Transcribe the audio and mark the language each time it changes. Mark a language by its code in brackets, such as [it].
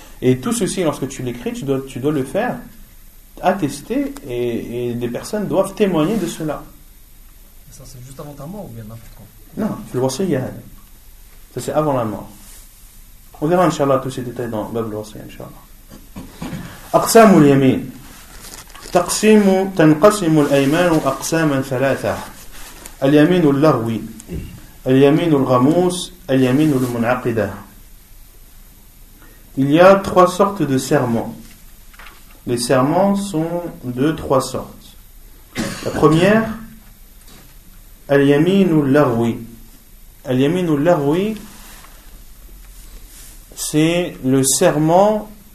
[fr] Et tout ceci, lorsque tu l'écris, tu dois le faire attester, et les personnes doivent témoigner de cela. Ça, c'est juste avant ta mort ou bien n'importe quoi? Non, tu le wasiya. Ça, c'est avant la mort. On verra, inshallah, tous ces détails dans Bab al-wasiya, inshallah. [ar] أقسام اليمين تنقسم الأيمان أقساما ثلاثة: اليمين اللغوي، اليمين الغموس، اليمين المنعقدة. [fr] Il y a trois sortes de serments. Les serments sont de trois sortes. La première, اليمين اللغوي. اليمين اللغوي, c'est le serment.